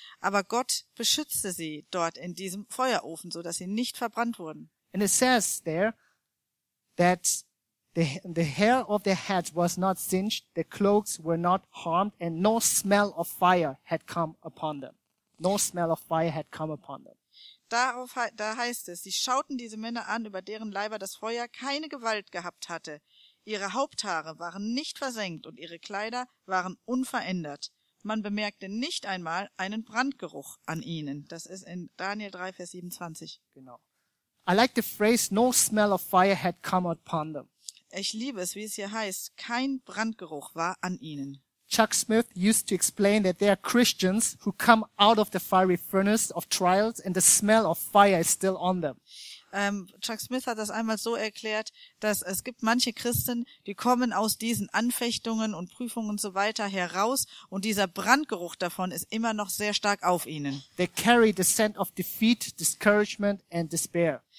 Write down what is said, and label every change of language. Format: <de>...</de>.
<de>Aber Gott beschützte sie dort in diesem Feuerofen, so dass sie nicht verbrannt wurden.</de> <en>And it says there that the hair of their heads was not singed, their cloaks were not harmed and no smell of fire had come upon them. No smell of fire had come upon them.</en> <de>Da heißt es, sie schauten diese Männer an, über deren Leiber das Feuer keine Gewalt gehabt hatte. Ihre Haupthaare waren nicht versengt und ihre Kleider waren unverändert. Man bemerkte nicht einmal einen Brandgeruch an ihnen. Das ist in Daniel 3, Vers 27. Genau.</de> <en>I like the phrase, no smell of fire had come upon them.</en> <de>Ich liebe es, wie es hier heißt, kein Brandgeruch war an ihnen.</de> <en>Chuck Smith used to explain that there are Christians who come out of the fiery furnace of trials and the smell of fire is still on them.</en> <de>Chuck Smith hat das einmal so erklärt, dass es gibt manche Christen, die kommen aus diesen Anfechtungen und Prüfungen und so weiter heraus und dieser Brandgeruch davon ist immer noch sehr stark auf ihnen.</de> <en>They carry the scent of defeat, discouragement and despair.</en>